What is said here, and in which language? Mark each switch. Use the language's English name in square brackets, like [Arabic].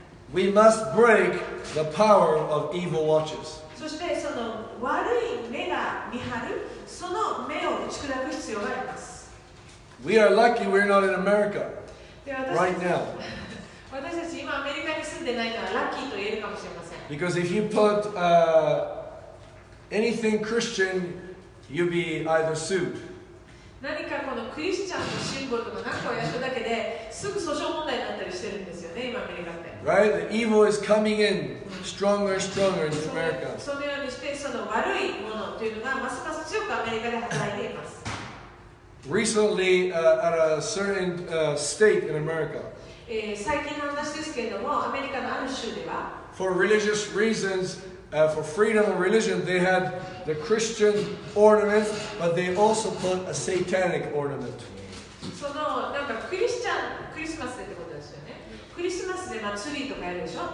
[English] We must break the power of evil watches. [Japanese] そしてその悪い目が見張る、その目を打ち砕く必要があります。 [English] We are lucky we're not in America right now. [Japanese] 私たち今アメリカに住んでないのはラッキーと言えるかもしれません。 [English] Because if you put anything Christian, you'll be either sued. [Japanese] 何かこのクリスチャンのシンボルとか何かをやっただけで、すぐ訴訟問題になったりしてるんですよね、今アメリカって。 [English] Right, the evil is coming in stronger and stronger in America. [Japanese] そのようにして、その悪いものというのがますます強くアメリカで働いています。 [English] Recently, at a certain state in America, [Japanese] 最近の話ですけれども、アメリカのある州では、 [English] for religious reasons, for freedom of religion, they had the Christian ornament, but they also put a satanic ornament. [Japanese] そのなんかクリスチャン、クリスマスで。クリスマスで祭りとかやるでしょ。